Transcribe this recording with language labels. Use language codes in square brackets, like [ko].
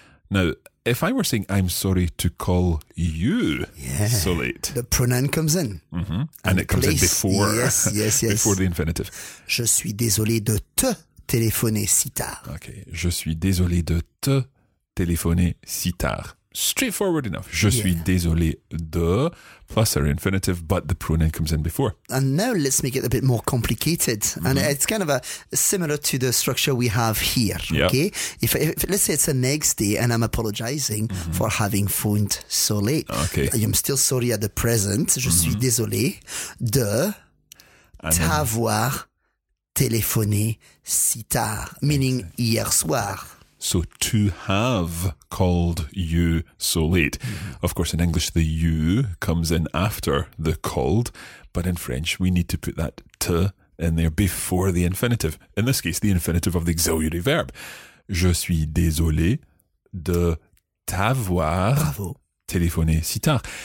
[en] Now, if I were saying I'm sorry to call you so late. The pronoun comes in. And it comes in before, before the infinitive. [fr] Je suis désolé de te téléphoner si tard. [en] Okay. [fr] Je suis désolé de te téléphoner si tard. [en] Straightforward enough. [fr] Je suis désolé de, [en] plus our infinitive, but the pronoun comes in before. And now let's make it a bit more complicated. And it's kind of a similar to the structure we have here. Yep. Okay. If let's say it's the next day and I'm apologizing for having phoned so late. Okay. I am still sorry at the present. [fr] Je suis désolé de t'avoir téléphoné si tard, meaning hier soir. [en] So to have called you so late. Mm-hmm. Of course, in English, the you comes in after the called, but in French, we need to put that te in there before the infinitive. In this case, the infinitive of the auxiliary verb. [fr] Je suis désolé de t'avoir téléphoné si tard.